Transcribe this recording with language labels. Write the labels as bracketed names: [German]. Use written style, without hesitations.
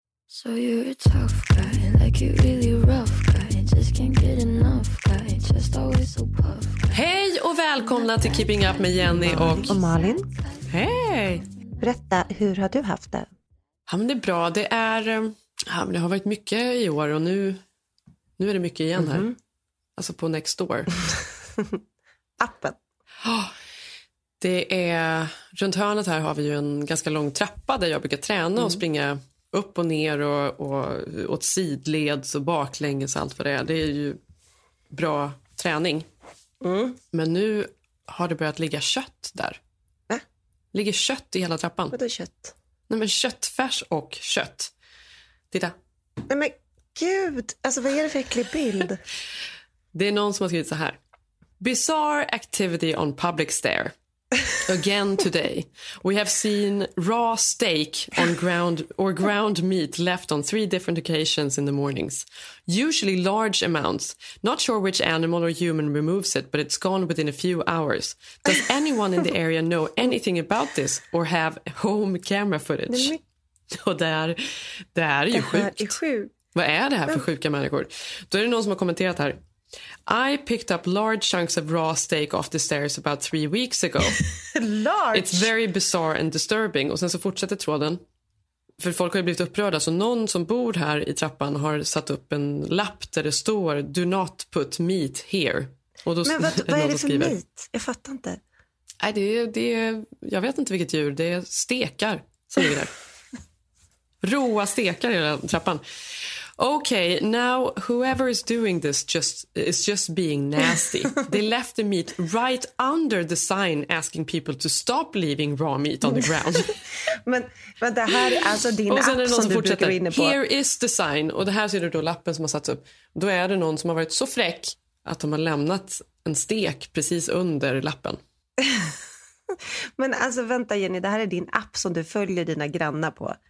[English] So you're a tough guy, like you really rough guy. Just can't get enough guy, just always so puff. [Swedish] Hej och välkomna till Keeping Up med Jenny och Malin. Hej! Berätta, hur har du haft det? Ja, men det är bra. Det är, ja, men det har varit mycket i år och nu är det mycket igen här. Alltså på Nextdoor. Appen. Det är, runt hörnet här har vi ju en ganska lång trappa där jag brukar träna och springa upp och ner och åt sidleds och baklänges och allt vad det är. Det är ju bra träning. Men nu har det börjat ligga kött där. Ligger kött i hela trappan. Vadå kött? Nej, men köttfärs och kött. Titta. Nej, men gud. Alltså, vad är det för äcklig bild? Det är någon som har skrivit så här. [English] Bizarre activity on public stair. Again today. We have seen raw steak on ground or ground meat left on three different occasions in the mornings. Usually large amounts. Not sure which animal or human removes it, but it's gone within a few hours. Does anyone in the area know anything about this or have home camera footage? [Swedish] Och det är ju sjukt. Vad är det här för sjuka människor? Då är det någon som har kommenterat här. [English] I picked up large chunks of raw steak off the stairs about 3 weeks ago. Large. It's very bizarre and disturbing. [Swedish] Och sen så fortsätter tråden. För folk har ju blivit upprörda. Så någon som bor här i trappan har satt upp en lapp där det står [English] Do not put meat here. [Swedish] Och då, men vad är det för skriver, meat? Jag fattar inte. Nej, det är, jag vet inte vilket djur. Det är stekar som ligger där. Råa stekar i den trappan. [English] Okay, now whoever is doing this is just being nasty. They left the meat right under the sign asking people to stop leaving raw meat on the ground. [Swedish] men det här är alltså din app som du brukar inne på. [English] Here is the sign. [Swedish] Och det här ser du då lappen som har satt upp. Då är det någon som har varit så fräck att de har lämnat en stek precis under lappen. Men alltså vänta Jenny, det här är din app som du följer dina grannar på.